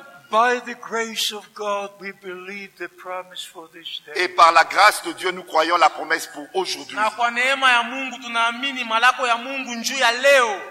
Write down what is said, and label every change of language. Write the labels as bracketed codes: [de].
[en] By the grace of God, we believe the promise for this day. [fr] Et par la grâce de Dieu, nous croyons la promesse pour aujourd'hui. [sw] Na kwa neema ya Mungu tunaamini malako ya Mungu njuu ya leo.